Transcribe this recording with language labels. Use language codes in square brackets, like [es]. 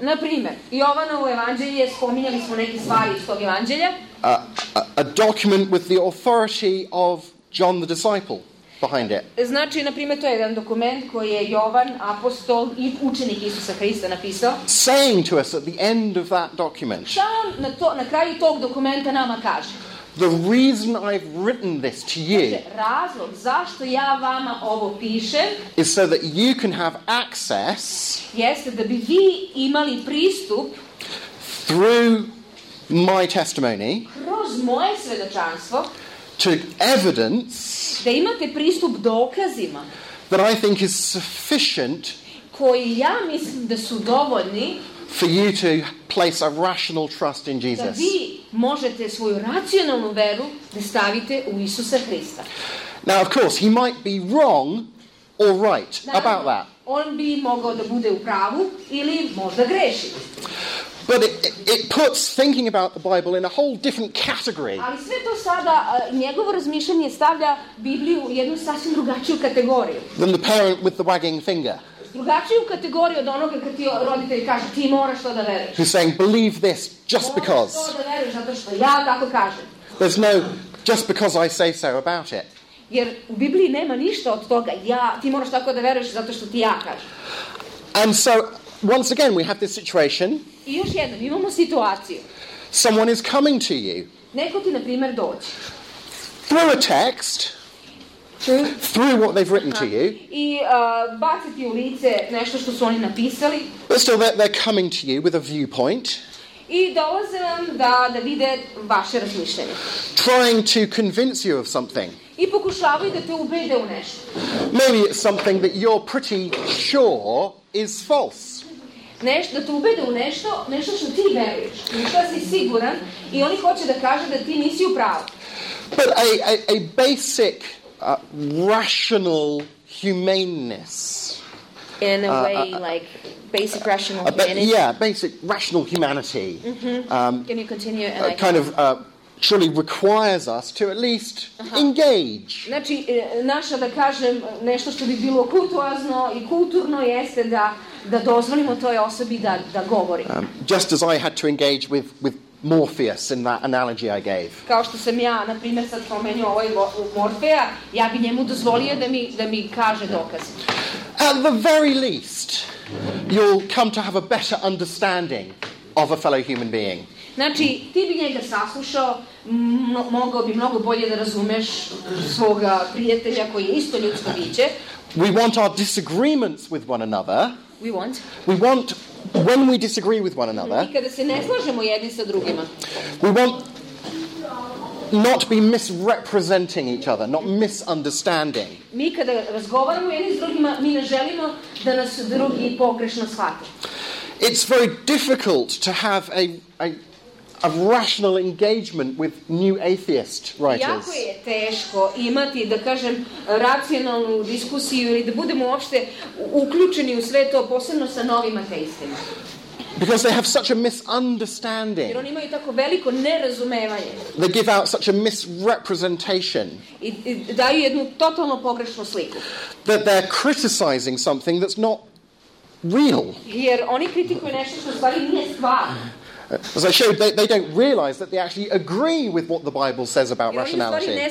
[sr] Na primjer, Jovanovo evanđelje, spominjali smo neke stvari iz tog evanđelja. [en] A document with the authority of John the disciple. Behind it. [sr] Znači, na primjer, to je jedan dokument koji je Jovan, apostol i učenik Isusa Hrista napisao. [en] Saying to us at the end of that document. [sr] Šta on na kraju tog dokumenta nama kaže? [en] The reason I've written this to you. [sr] Znači, razlog zašto ja vama ovo pišem. [en] Is so that you can have access. [sr] Jeste da bi vi imali pristup. [en] Through my testimony. [sr] Kroz moje svedočanstvo. [en] To evidence [sr] da imate pristup dokazima [en] that I think is sufficient [sr] koji ja mislim da su dovoljni [en] for you to place a rational trust in Jesus. [sr] Da vi možete svoju racionalnu veru da stavite u Isusa Hrista. [en] Now of course he might be wrong or right about that. [sr] On bi mogao da bude u pravu ili možda greši. [en] But it puts thinking about the Bible in a whole different category. [sr] Ali sve to sada njegovo razmišljanje stavlja Bibliju u jednu sasvim drugačiju kategoriju. [en] Than the parent with the wagging finger. [sr] Drugačiju kategoriju od onoga kad ti roditelj kaže ti moraš to da veruješ. [en] He's saying believe this just because. [sr] Moraš to da veruješ zato što ja tako kažem. [en] There's no just because I say so about it. [sr] Jer u Bibliji nema ništa od toga. Ja, ti moraš tako da veruješ zato što ti ja kažem. [en] And so once again we have this situation. [sr] I još jednom, imamo situaciju. [en] Someone is coming to you. [sr] Neko ti, na primjer, dođe. [en] Through a text. Through what they've written to you. [sr] I baci ti u lice nešto što su oni napisali. [en] But still, they're coming to you with a viewpoint. [sr] I dolaze vam da vide vaše razmišljenje. [en] Trying to convince you of something. [sr] I pokušavaju da te ubede u nešto. [en] Maybe it's something that you're pretty sure is false. [sr] Nešto, da te ubede u nešto što ti veruješ, nešto si siguran i oni hoće da kaže da ti nisi u pravu. [en] But a basic rational humaneness. In a way, like basic rational humanity. Yeah, basic rational humanity. Mm-hmm. Can you continue? And kind of surely requires us to at least engage. [sr] Znači, naša, da kažem, nešto što bi bilo kultuazno i kulturno jeste da da dozvolimo toj osobi da govori. [en] Just as I had to engage with Morpheus in that analogy I gave. [sr] Kao što sam ja, na primjer, sad pomenuo ovaj Morfeja, ja bi njemu dozvolio da mi kaže dokaz. [en] At the very least, you'll come to have a better understanding of a fellow human being. [sr] Znači, ti bi njega saslušao, mogao bi mnogo bolje da razumeš svoga prijatelja koji je isto ljudsko biće. [en] We want our disagreements with one another. We want when we disagree with one another. [sr] I kada se ne slažemo jedni sa drugima. [en] We want not to be misrepresenting each other, not misunderstanding. [sr] Mi kada razgovaramo jedni s drugima, mi ne želimo da nas drugi pogrešno shvate. [en] it's very difficult to have a rational engagement with new atheist writers. [sr] Jako je teško imati, da kažem, racionalnu diskusiju ili da budemo uopšte uključeni u sve to, posebno sa novim ateistima. [en] Because they have such a misunderstanding. [sr] Jer oni imaju tako veliko nerazumevanje. [en] They give out such a misrepresentation. [sr] I daju jednu totalno pogrešnu sliku. [en] That they're criticizing something that's not real. [sr] Jer oni kritikuju nešto što stvari nije stvar. [en] As I showed, they don't realize that they actually agree with what the Bible says about rationality.